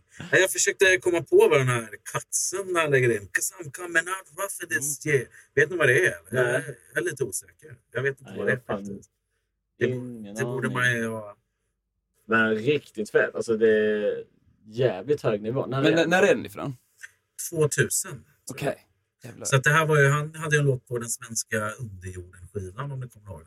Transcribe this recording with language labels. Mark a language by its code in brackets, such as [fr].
[sv] Ja, jag försökte komma på vad den här katsen där lägger in. [en] Cause I'm coming out rough for this year. [sv] Vet ni vad det är? Eller? Mm. Jag är lite osäker. Jag vet inte vad det är faktiskt. Det borde man ju vara. Men riktigt fett. Alltså det är jävligt hög nivå. När är den ifrån? 2000. Okej. Okay. Så att det här var ju, han hade ju en låt på den svenska underjorden skivan om ni kommer ihåg.